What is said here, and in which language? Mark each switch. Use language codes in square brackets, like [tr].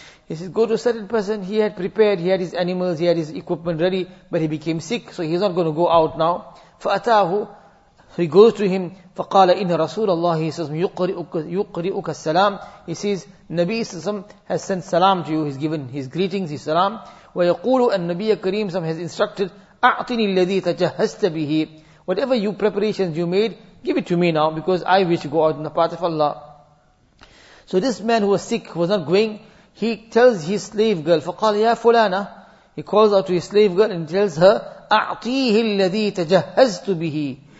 [en] He says, go to a certain person. He had prepared, he had his animals, he had his equipment ready, but he became sick, so he's not going to go out now. [ar] فَأَتَاهُ. [en] So he goes to him. [ar] فَقَالَ إِنَّ رَسُولَ اللَّهِ. [en] He says, [ar] يُقْرِئُكَ السَّلَامِ. [en] He says, Nabi Sallam has sent salam to you. He's given his greetings, his salam. [ar] وَيَقُولُ النَّبِيَ كَرِيمُ [en] Sallam has instructed, [ar] أَعْطِنِي الَّذِي تَجَهَّزْتَ بِهِ. [en] Whatever you preparations you made, give it to me now, because I wish to go out in the path of Allah. So this man who was sick, who was not going, he tells his slave girl, [ar] فَقَالَ يَا فُلَانَ. [en] He calls out to his slave girl and tells her, [ar] أَعْطِيهِ الَّذِي تَجَهَّزْتُ بِهِ.